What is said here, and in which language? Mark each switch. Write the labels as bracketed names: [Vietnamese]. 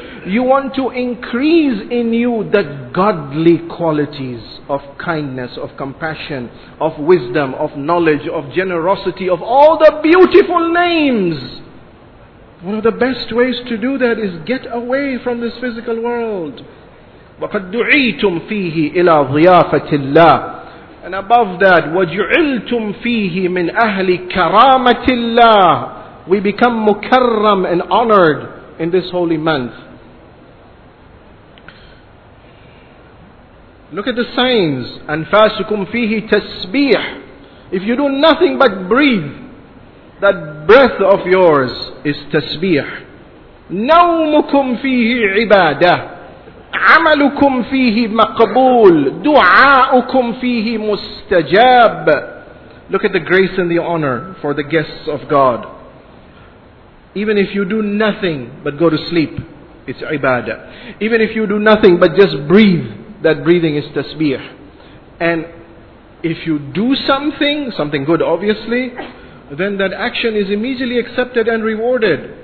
[English] You want to increase in you the godly qualities of kindness, of compassion, of wisdom, of knowledge, of generosity, of all the beautiful names. One of the best ways to do that is get away from this physical world. [Arabic] وَقَدْ دُعِيتُمْ فِيهِ إِلَىٰ ضِيَافَةِ اللَّهِ. [English] And above that, [Arabic] وَجُعِلْتُمْ فِيهِ مِنْ أَهْلِ كَرَامَةِ اللَّهِ. [English] We become mukarram and honored in this holy month. Look at the signs. [Arabic] أَنْفَاسُكُمْ فِيهِ تَسْبِيح. [English] If you do nothing but breathe, that breath of yours is tasbih. [Arabic] نَوْمُكُمْ فِيهِ عِبَادَةِ. عملكم فيه مقبول دعاؤكم فيه مستجاب. [English] Look at the grace and the honor for the guests of God. Even if you do nothing but go to sleep, it's ibadah. Even if you do nothing but just breathe, that breathing is tasbih. And if you do something good obviously, then that action is immediately accepted and rewarded.